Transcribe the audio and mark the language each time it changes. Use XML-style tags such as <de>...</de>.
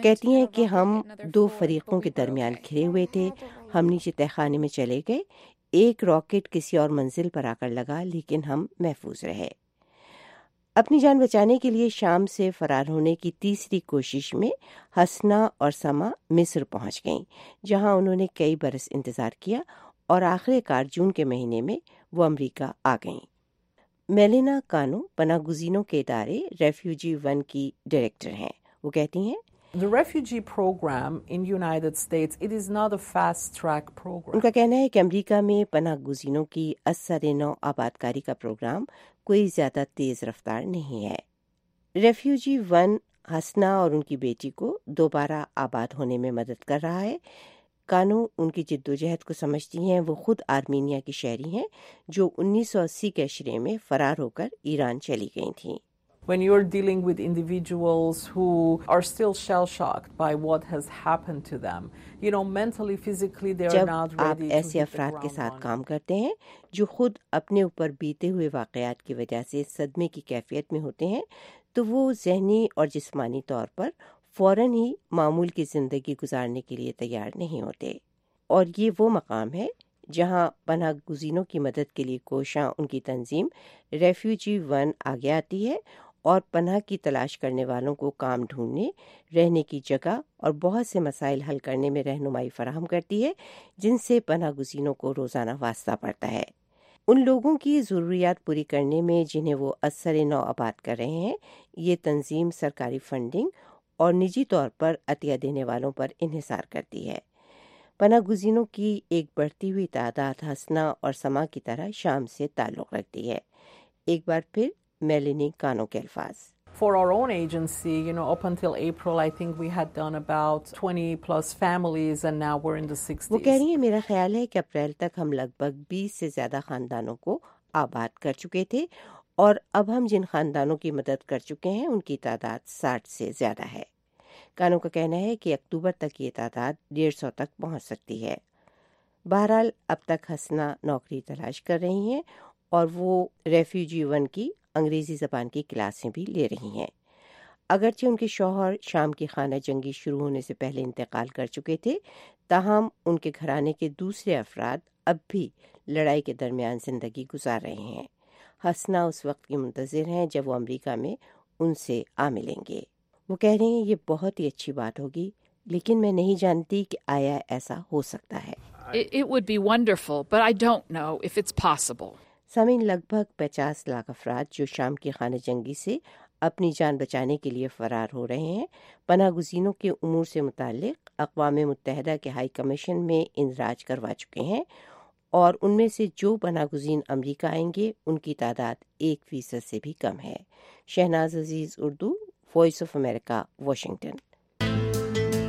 <ur>کہتی ہیں کہ ہم دو فریقوں کے درمیان کھڑے ہوئے تھے، ہم نیچے تہخانے میں چلے گئے، ایک راکٹ کسی اور منزل پر آ کر لگا، لیکن ہم محفوظ رہے۔ اپنی جان بچانے کے لیے شام سے فرار ہونے کی تیسری کوشش میں حسنا اور سما مصر پہنچ گئیں، جہاں انہوں نے کئی برس انتظار کیا اور آخر کار جون کے مہینے میں وہ امریکہ آ گئیں۔ میلینا کانو پناہ گزینوں کے ادارے ریفیوجی ون کی ڈائریکٹر ہیں۔ وہ کہتی ہیں</ur> <en>The refugee program in United States, it is not a fast-track program.</en> <ur>ان کا کہنا ہے کہ امریکہ میں پناہ گزینوں کی اثر نو آبادکاری کا پروگرام کوئی زیادہ تیز رفتار نہیں ہے۔ ریفیوجی ون حسنا اور ان کی بیٹی کو دوبارہ آباد ہونے میں مدد کر رہا ہے۔ کانو ان کی جدوجہد کو سمجھتی ہیں۔ وہ خود آرمینیا کی شہری ہیں، جو 1980 کے اشرے میں فرار ہو کر ایران چلی گئی تھیں۔</ur> <en>When you're dealing with individuals who are still shell-shocked by what has happened to them, you know, mentally, physically, they are not ready to</en> <ur>جب آپ ایسے افراد کے ساتھ کام کرتے ہیں جو خود اپنے اوپر بیتے ہوئے واقعات کی وجہ سے صدمے کی کیفیت میں ہوتے ہیں، تو وہ ذہنی اور جسمانی طور پر فوراً ہی معمول کی زندگی گزارنے کے لیے تیار نہیں ہوتے۔ اور یہ وہ مقام ہے جہاں پناہ گزینوں کی مدد کے لیے کوشاں ان کی تنظیم ریفیوجی ون آگے آتی ہے اور پناہ کی تلاش کرنے والوں کو کام ڈھونڈنے، رہنے کی جگہ اور بہت سے مسائل حل کرنے میں رہنمائی فراہم کرتی ہے، جن سے پناہ گزینوں کو روزانہ واسطہ پڑتا ہے۔ ان لوگوں کی ضروریات پوری کرنے میں جنہیں وہ اثر نو آباد کر رہے ہیں، یہ تنظیم سرکاری فنڈنگ اور نجی طور پر عطیہ دینے والوں پر انحصار کرتی ہے۔ پناہ گزینوں کی ایک بڑھتی ہوئی تعداد حسنا اور سما کی طرح شام سے تعلق رکھتی ہے۔ ایک بار پھر میلینی کانو کے الفاظ۔</ur> <en>For our own agency, you know, up until April, I think we had done about 20+ families and now we're in the 60s.</en> <ur>وہ کہہ رہی ہیں میرا خیال ہے کہ اپریل تک ہم لگ بھگ 20 سے زیادہ خاندانوں کو آباد کر چکے تھے اور اب ہم جن خاندانوں کی مدد کر چکے ہیں ان کی تعداد 60 سے زیادہ ہے۔ کانو کا کہنا ہے کہ اکتوبر تک یہ تعداد 150 تک پہنچ سکتی ہے۔ بہرحال اب تک حسنا نوکری تلاش کر رہی ہیں اور وہ ریفیوجی ون کی انگریزی زبان کی کلاسیں بھی لے رہی ہیں۔ اگرچہ ان کے شوہر شام کی خانہ جنگی شروع ہونے سے پہلے انتقال کر چکے تھے، تاہم ان کے گھرانے کے دوسرے افراد اب بھی لڑائی کے درمیان زندگی گزار رہے ہیں۔ حسنا اس وقت کی منتظر ہیں جب وہ امریکہ میں ان سے آ ملیں گے۔ وہ کہہ رہے ہیں یہ بہت ہی اچھی بات ہوگی، لیکن میں نہیں جانتی کہ آیا ایسا ہو سکتا ہے۔</ur> <en>It would be wonderful, but I don't know if it's possible.</en> <ur>سامعین، لگ بھگ 50 لاکھ افراد جو شام کی خانہ جنگی سے اپنی جان بچانے کے لیے فرار ہو رہے ہیں، پناہ گزینوں کے امور سے متعلق اقوام متحدہ کے ہائی کمیشن میں اندراج کروا چکے ہیں، اور ان میں سے جو پناہ گزین امریکہ آئیں گے ان کی تعداد 1% سے بھی کم ہے۔ شہناز عزیز، Urdu, voice of America, Washington.</ur>